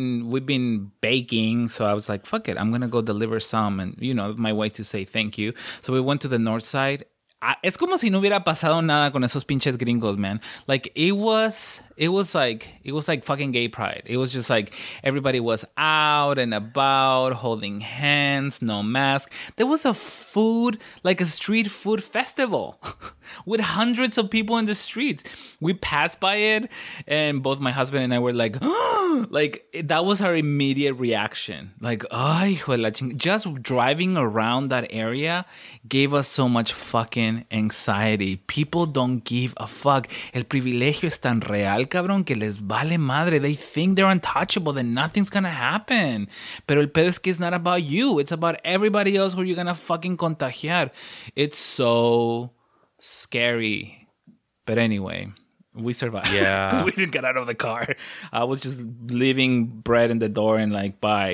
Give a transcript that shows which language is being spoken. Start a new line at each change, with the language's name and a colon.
English: We've been baking, so I was like, fuck it, I'm gonna go deliver some, and you know, my way to say thank you. So we went to the north side.
Spanish: Es como si no hubiera pasado nada con esos pinches gringos, man.
English: Like, it was like fucking gay pride. It was just like everybody was out and about, holding hands, no mask. There was a food, like a street food festival with hundreds of people in the streets. We passed by it, and both my husband and I were like, like, that was our immediate reaction. Like, ay, just driving around that area gave us so much fucking anxiety. People don't give a fuck.
Spanish: El privilegio es tan real, cabrón, que les vale madre.
English: They think they're untouchable, that nothing's gonna happen.
Spanish: Pero el pedo es que
English: it's not about you. It's about everybody else who you're gonna fucking contagiar. It's so scary. But anyway, we survived. Yeah. Because we didn't get out of the car. I was just leaving bread in the door and like, bye.